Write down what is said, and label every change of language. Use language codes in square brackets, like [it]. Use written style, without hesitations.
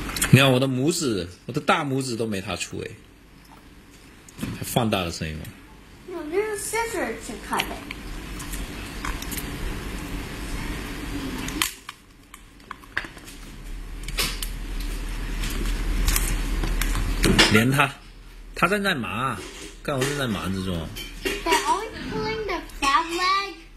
[zh] 你看我的拇指，我的大拇指都没他粗哎，还放大的声音吗？用这个 scissor 去 [en] cut it。 [zh] 连他，他正在忙，干活正在忙之中。 [en] They're always pulling the crab leg.